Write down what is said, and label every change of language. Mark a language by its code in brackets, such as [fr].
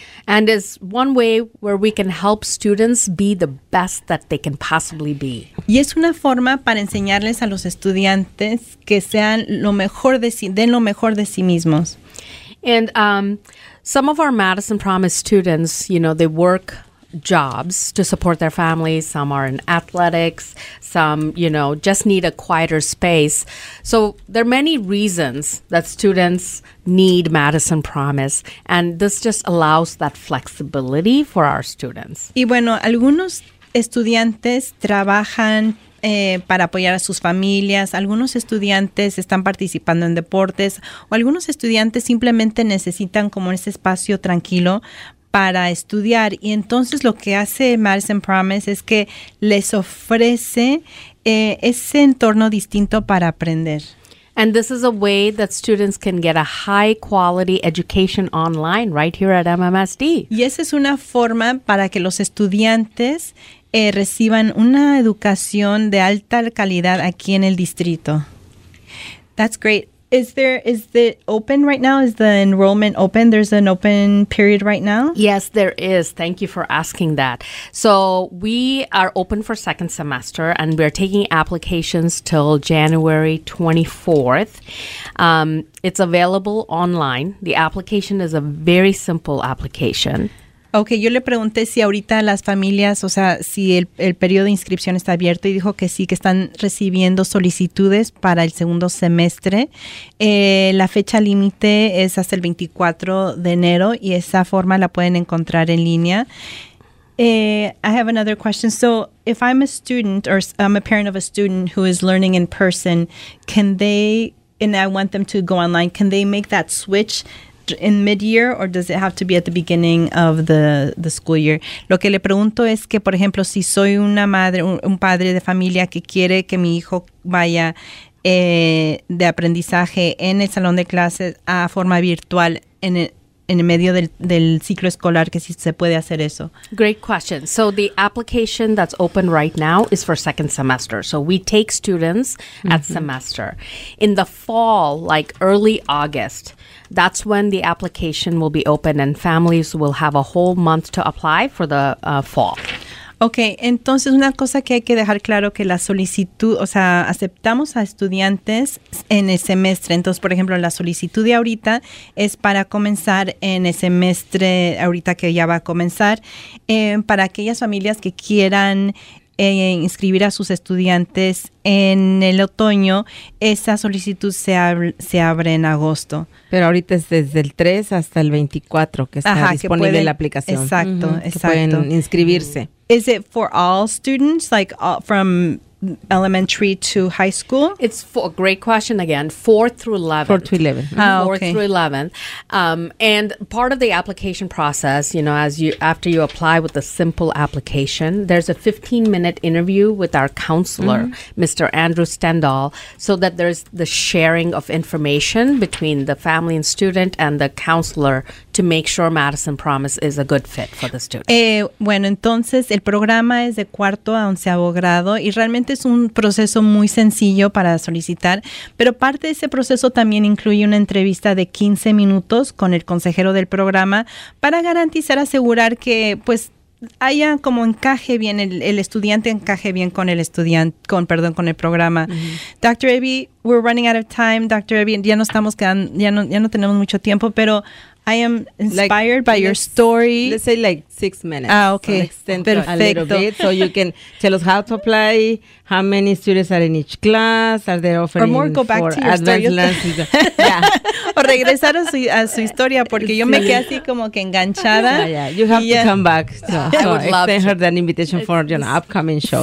[en] And it's one way where we can help students be the best that they can possibly be. [es] Y es una forma para enseñarles a los estudiantes que sean lo mejor de sí, den lo mejor de sí mismos. [en] And some of our Madison Promise students, you know, they work jobs to support their families. Some are in athletics. Some, you know, just need a quieter space. So there are many reasons that students need Madison Promise, and this just allows that flexibility for our students. [es] Y bueno, algunos estudiantes trabajan para apoyar a sus familias. Algunos estudiantes están participando en deportes, o algunos estudiantes simplemente necesitan como ese espacio tranquilo para estudiar. Y entonces lo que hace Madison Promise es que les ofrece ese entorno distinto para aprender. [en] And this is a way that students can get a high quality education online right here at MMSD. [es] Y esa es una forma para que los estudiantes reciban una educación de alta calidad aquí en el distrito. [en] That's great. Is it open right now? Is the enrollment open? There's an open period right now? Yes, there is. Thank you for asking that. So we are open for second semester, and we're taking applications till January 24th. It's available online. The application is a very simple application. [es] Ok, yo le pregunté si ahorita las familias, o sea, si el periodo de inscripción está abierto, y dijo que sí, que están recibiendo solicitudes para el segundo semestre. La fecha límite es hasta el 24 de enero y esa forma la pueden encontrar en línea. [en] I have another question. So if I'm a student or I'm a parent of a student who is learning in person, can they, and I want them to go online, can they make that switch in mid-year, or does it have to be at the beginning of the school year? [es] Lo que le pregunto es que, por ejemplo, si soy una madre, un padre de familia que quiere que mi hijo vaya de aprendizaje en el salón de clases a forma virtual en el medio del ciclo escolar, que si se puede hacer eso. [en] Great question. So the application that's open right now is for second semester. So we take students mm-hmm. at semester. In the fall, like early August, that's when the application will be open and families will have a whole month to apply for the fall. [es] Okay, entonces una cosa que hay que dejar claro que la solicitud, o sea, aceptamos a estudiantes en el semestre. Entonces, por ejemplo, la solicitud de ahorita es para comenzar en el semestre ahorita que ya va a comenzar. Para aquellas familias que quieran inscribir a sus estudiantes en el otoño, esa solicitud se abre en agosto. Pero ahorita es desde el 3 hasta el 24 que está disponible que pueden, la aplicación. Exacto, uh-huh, exacto. Que pueden inscribirse. [en] Is it for all students, like all, from elementary to high school? It's for, great question again, 4th through 11th. 4th through 11th. Mm-hmm. Oh, okay. 4th through 11th. And part of the application process, you know, after you apply with a simple application, there's a 15-minute interview with our counselor, mm-hmm. Mr. Andrew Stendahl, so that there's the sharing of information between the family and student and the counselor to make sure Madison Promise is a good fit for the student. [es] Bueno, entonces, el programa es de cuarto a onceavo grado y realmente es un proceso muy sencillo para solicitar, pero parte de ese proceso también incluye una entrevista de 15 minutos con el consejero del programa para garantizar, asegurar que pues haya como encaje bien, el estudiante encaje bien con el estudiante, con el programa. [en] Mm-hmm. Dr. Abby, we're running out of time. Dr. Abby, [es] ya no estamos quedando, ya no tenemos mucho tiempo, pero [en] I am inspired by your story. Let's say like 6 minutes. Ah, okay. [es] Perfecto. [en] A little bit, so you can tell us how to apply, how many students are in each class, are they offering or more, go back for to your advanced story. Lessons. Yeah. [es] O regresar a su historia, porque yo me quedé así como que enganchada. [en] Yeah, yeah. You have to come back. So I would love to. Extend her an invitation for your upcoming show.